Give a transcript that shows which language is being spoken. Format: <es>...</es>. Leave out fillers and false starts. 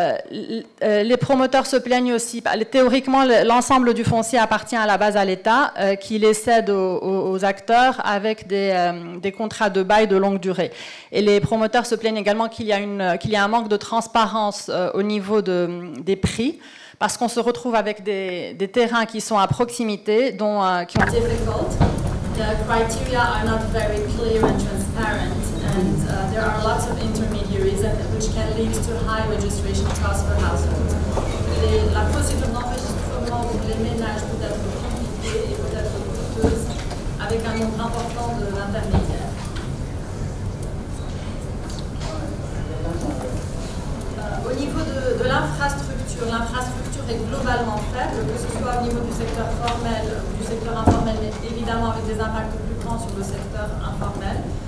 <fr>Les promoteurs se plaignent aussi. Théoriquement, l'ensemble du foncier appartient à la base à l'État, qui les cède aux acteurs avec des contrats de bail de longue durée. Et les promoteurs se plaignent également qu'il y a un manque de transparence au niveau des prix, parce qu'on se retrouve avec des terrains qui sont à proximité, dont qui</fr> <en>ont difficult. The criteria are not very clear and transparent, and there are lots of intermediaries, which can lead to high registration costs for households.</en> <fr>La cause est un enregistrement pour les ménages peut être compliqué et peut être coûteuse avec un nombre important d'intermédiaires. l'infrastructure. L'infrastructure est globalement faible, que ce soit au niveau du secteur formel ou du secteur informel, mais évidemment avec des impacts plus grands sur le secteur informel.</fr>